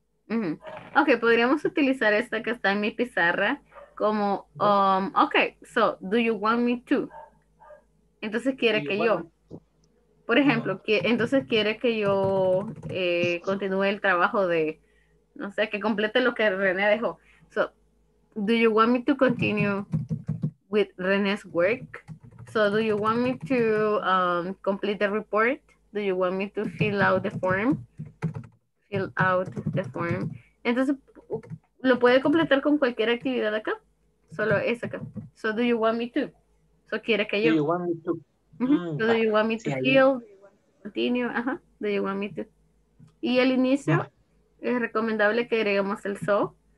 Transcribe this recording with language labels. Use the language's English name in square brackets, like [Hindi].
[Spanish] Uh-huh. Okay, podríamos utilizar esta que está en mi pizarra como, okay, [English] so do you want me to. [Spanish] Entonces quiere que yo, por ejemplo, entonces quiere que yo continúe el trabajo de, no sé, que complete lo que René dejó. [English] So, do you want me to continue with René's work? So, do you want me to complete the report? Do you want me to fill out the form? Fill out the form. [Spanish] Entonces, lo puede completar con cualquier actividad acá. Solo esa acá. [English] So, do you want me to? [Spanish] So, quiere que yo. [English] Do you want me to? Mm-hmm. So, do you want me to heal? Continue. Uh-huh. Do you want me to? [Spanish] Y al inicio, yeah. Es recomendable que agreguemos el so,